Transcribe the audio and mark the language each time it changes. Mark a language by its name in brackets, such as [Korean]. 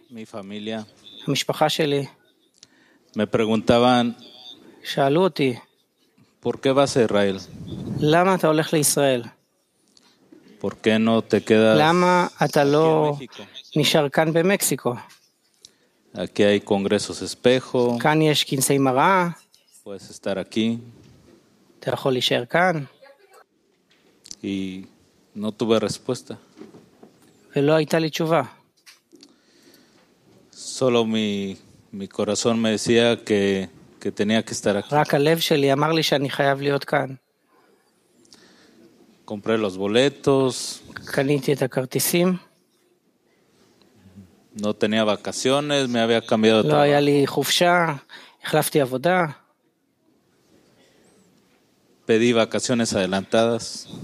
[Spanish] Mi familia. [Hebrew] המשפחה שלי. [Spanish] Me preguntaban. [Hebrew] שאלו אותי. [Spanish] ¿Por qué vas a Israel? [Hebrew] למה אתה הולך לישראל? [Spanish] ¿Por qué no te quedas? [Hebrew] למה אתה לא נשאר כאן במקסיקו? [Spanish] Aquí hay congresos espejo. [Hebrew] כאן יש כנסי מראה. [Spanish] Puedes estar aquí. [Hebrew] אתה יכול להישאר כאן. [Spanish] Y no tuve respuesta. [Hebrew] ולא הייתה לי תשובה. [Spanish] Solo mi corazón me decía que tenía que estar aquí. [Hebrew] רק הלב שלי אמר לי שאני חייב להיות כאן. [Spanish] Compré los boletos. [Hebrew] קניתי את הכרטיסים. [Spanish] No tenía vacaciones, me había cambiado todo. [Hebrew] לא היה לי חופשה, החלפתי עבודה. [Spanish] Pedí vacaciones adelantadas.